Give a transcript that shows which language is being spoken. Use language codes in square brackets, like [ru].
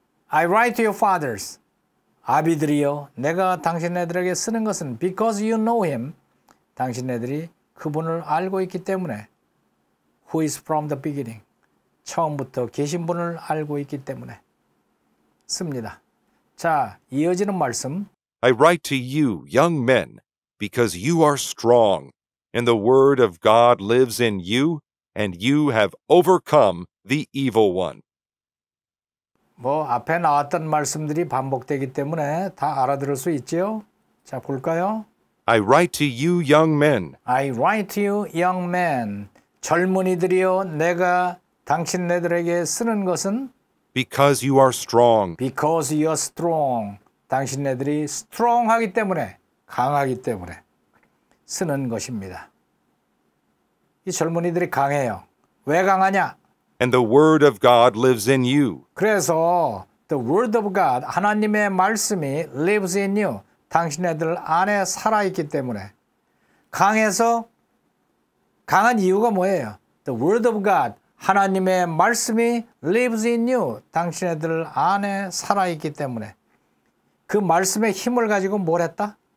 [en] I write to your fathers. [ko] 아비들이여, 내가 당신네들에게 쓰는 것은 [en] because you know him. [ko] 당신네들이 그분을 알고 있기 때문에. [en] Who is from the beginning. [ko] 처음부터 계신 분을 알고 있기 때문에 씁니다. 자, 이어지는 말씀. [en] I write to you, young men, because you are strong, and the word of God lives in you, and you have overcome the evil one. [ko] 뭐 앞에 나왔던 말씀들이 반복되기 때문에 다 알아들을 수 있지요? 자, 볼까요? [en] I write to you, young men. I write to you, young men. [ko] 젊은이들이여, 내가 당신네들에게 쓰는 것은 [en] Because you are strong. Because you are strong. [ko] 당신네들이 strong하기 때문에, 강하기 때문에 쓰는 것입니다. 이 젊은이들이 강해요. 왜 강하냐? [en] And the word of God lives in you. [ko] 그래서 [en] the word of God, [ko] 하나님의 말씀이 [en] lives in you. [ko] 당신네들 안에 살아있기 때문에 강해서 강한 이유가 뭐예요? [en] The word of God. [ko] 하나님의 말씀이 [en] lives in you. [ko] 당신들 안에 살아있기 때문에. 그 말씀의 힘을 가지고 뭘 했다?